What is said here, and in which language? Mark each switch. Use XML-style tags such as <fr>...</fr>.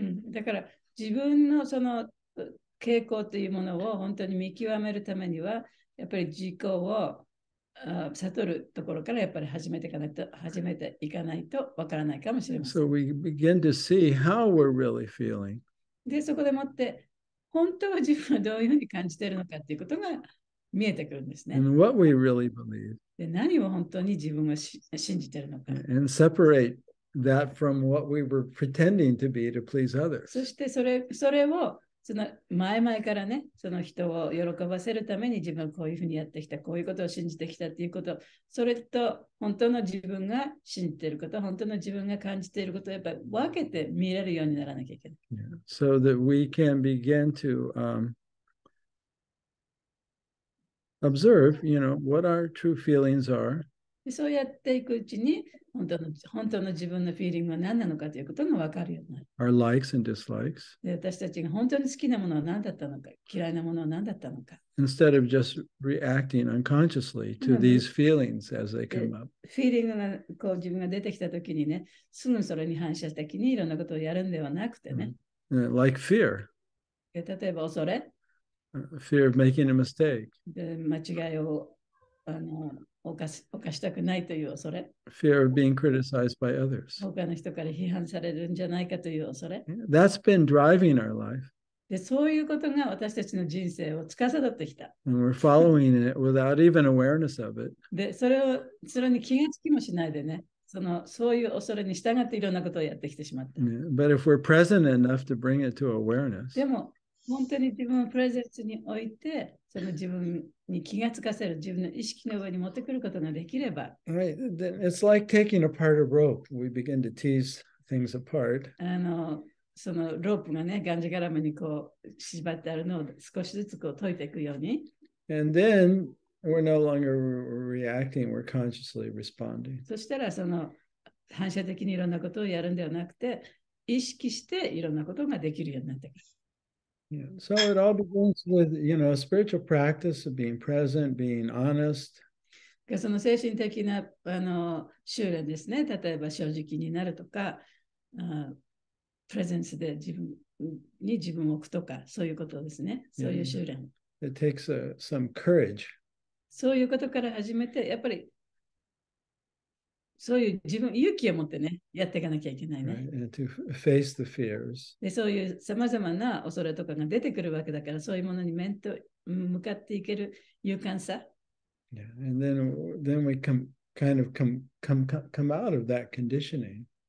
<ja>だから自分のその傾向というものを本当に見極めるためには、やっぱり自己を悟るところからやっぱり始めていかないとわからないかもしれません。</ja> <en>So we begin to see how we're really feeling.</en> <ja>で、そこでもって本当は自分はどういうふうに感じているのかということが見えてくるんですね。</ja> <en>And what we really believe.</en> <ja>で、何を本当に自分が信じてるのか。</ja> <en>And separate that from what we were pretending to be to please others.</en> <ja>そしてそれをその前々からね、その人を喜ばせるために自分はこういうふうにやってきた、こういうことを信じてきたっていうこと、それと本当の自分が信じていること、本当の自分が感じていることをやっぱり分けて見れるようにならなきゃいけない。</ja> <en>Yeah. So that we can begin to, observe, you know, what our true feelings are.</en> <ja>そうやっていくうちに本当の自分のフィーリングは何なのかということが分かるようになる。</ja> <en>Our likes and dislikes.</en> <ja>で、私たちが本当に好きなものは何だったのか、嫌いなものは何だったのか。</ja> <en>Instead of just reacting unconsciously to these feelings as they come up.</en> <ja>フィーリングがこう自分が出てきたときにね、すぐそれに反射的にいろんなことをやるんではなくてね。</ja> <en>Like fear.</en> <ja>例えば恐れ。</ja> <en>Fear of making a mistake.</en> <ja>で、間違いを犯したくないという恐れ。</ja> <en>Fear of being criticized by others.</en> <ja>他の人から批判されるんじゃないかという恐れ。</ja> <en>That's been driving our life.</en> <ja>で、そういうことが私たちの人生を司ってきた。</ja> <en>And we're following it without even awareness of it.</en> <ja>で、それに気がつきもしないでね。そういう恐れに従っていろんなことをやってきてしまった。</ja> <en>Yeah. But if we're present enough to bring it to awareness.</en> <ja>でも本当に自分をプレゼンスに置いて、その自分に気がつかせる、自分の意識の上に持ってくることができれば。</ja> <en>Right. It's like taking apart a rope. We begin to tease things apart.</en> <ja>そのロープがね、がんじがらめにこう縛ってあるのを少しずつこう解いていくように。</ja> <en>And then we're no longer reacting, we're consciously responding.</en> <ja>そしたらその反射的にいろんなことをやるんではなくて、意識していろんなことができるようになってくる。</ja> <en>Yeah. So it all begins with, you know, a spiritual practice of being present, being honest.</en> <ja>その精神的な修練ですね。例えば正直になるとか、プレゼンスで自分を置くとか、そういうことですね。そういう修練。</ja> <en>Yeah. It takes some courage.</en> <ja>そういうことから始めて、やっぱりそういう自分勇気を持ってねやっていかなきゃいけないね。</ja> <en>Right. And to face the fears.</en> <ja>でそういうさまざまな恐れとかが出てくるわけだから、そういうものに面と向かっていける勇敢さ。</ja> <en>Yeah. And then we come out of that conditioning.</en>